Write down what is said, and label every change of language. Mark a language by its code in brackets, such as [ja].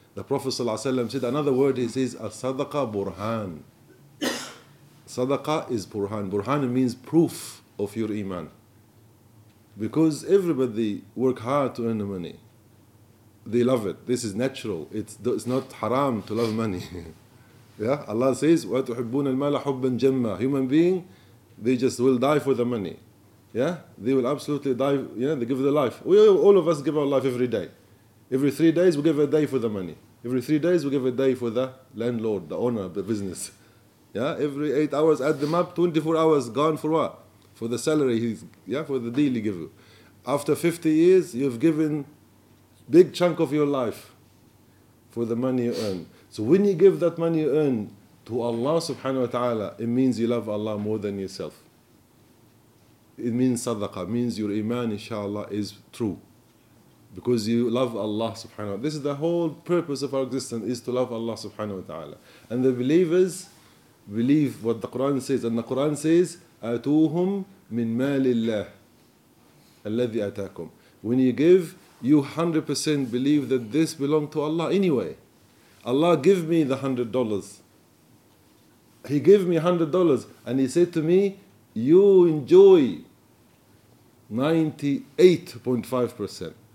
[en] The Prophet said another word, he says, a sadaqah burhan. Sadaqah is burhan. Burhan means proof of your iman. Because everybody work hard to earn the money. They love it. This is natural. It's not haram to love money. Yeah? Allah says, [ar] وَتُحِبُّونَ الْمَالَ حُبًّا جَمَّا. [en] Human being, they just will die for the money. Yeah? They will absolutely die. Yeah? They give their life. All of us give our life every day. Every 3 days, we give a day for the money. Every 3 days, we give a day for the landlord, the owner, the business. Yeah? Every 8 hours, add them up, 24 hours gone for what? For the salary, for the deal he gives you. After 50 years, you've given big chunk of your life for the money you earn. So when you give that money you earn to Allah subhanahu wa ta'ala, it means you love Allah more than yourself. It means sadaqah, means your iman, inshallah, is true. Because you love Allah subhanahu wa ta'ala. This is the whole purpose of our existence, is to love Allah subhanahu wa ta'ala. And the believers believe what the Quran says. And the Quran says, [ar] أَتُوهُمْ مِنْ مَالِ اللَّهِ الَّذِي أَتَاكُمْ. [en] When you give, you 100% believe that this belongs to Allah anyway. Allah give me the $100. He gave me $100 and he said to me, you enjoy 98.5%.